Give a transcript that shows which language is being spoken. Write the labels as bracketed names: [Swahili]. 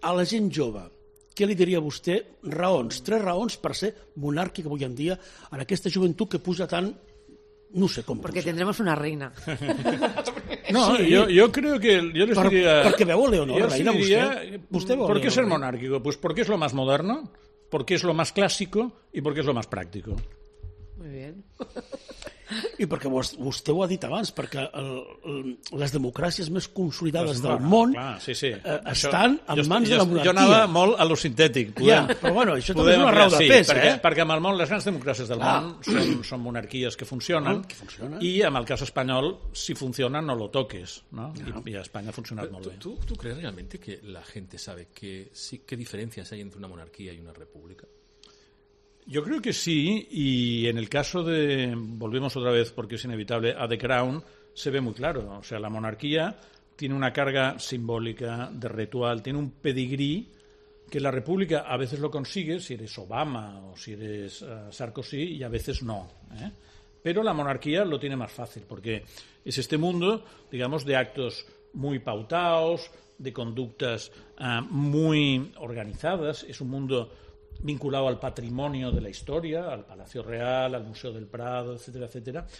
[Catalan] A la gent jove, què li diria vostè? Raons, tres raons per ser monàrquic avui en dia en aquesta joventut que puja tant, no sé com. Perquè tindremos una reina. No, sí. Jo crec que... Perquè veu Leonor, reina, vostè? Per què ser monàrquico? [Spanish] Pues [Catalan] perquè és [Spanish] lo más moderno, porque es lo más clásico y porque es lo más práctico. Muy bien. [Catalan] I perquè vostè ho ha dit abans, perquè les democràcies més consolidades del món estan en mans de la monarquia. Jo anava molt a lo sintètic. Això també és una raó de pes. Perquè amb el món, les grans democràcies del món són monarquies que funcionen i en el cas espanyol, [Spanish] si funciona no lo toques. [Catalan] I a Espanya ha funcionat molt bé. [Spanish] ¿Tú crees realmente que la gente sabe qué diferencias hay entre una monarquía y una república? Yo creo que sí, y en el caso de, volvemos otra vez porque es inevitable, a The Crown, se ve muy claro. O sea, la monarquía tiene una carga simbólica, de ritual, tiene un pedigrí que la república a veces lo consigue, si eres Obama o si eres Sarkozy, y a veces no, Pero la monarquía lo tiene más fácil, porque es este mundo, digamos, de actos muy pautados, de conductas muy organizadas, es un mundo vinculado al patrimonio de la historia, al Palacio Real, al Museo del Prado, etcétera, etcétera.